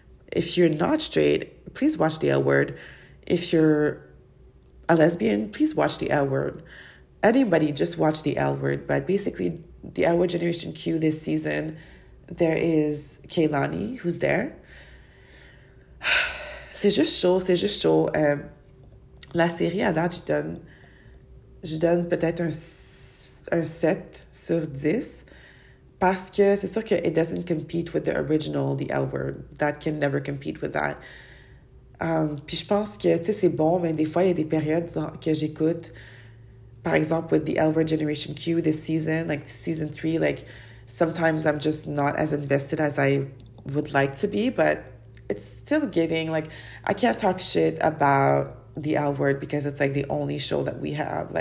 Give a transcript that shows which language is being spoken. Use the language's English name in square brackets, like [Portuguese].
[English] If you're not straight, please watch the L Word. If you're a lesbian, please watch the L Word. Anybody, just watch the L Word. But basically, the L Word Generation Q this season, there is Kehlani, who's there. [French] C'est juste chaud. La série, à date, je donne peut-être un 7 sur 10. Parce que c'est sûr que [English] it doesn't compete with the original, the L Word. That can never compete with that. [French] Puis je pense que, tu sais, c'est bon, mais des fois, il y a des périodes que j'écoute. Par exemple, [English] with the L Word Generation Q this season, like season 3, like, sometimes I'm just not as invested as I would like to be, but it's still giving. Like, I can't talk shit about the L Word because it's, like, the only show that we have.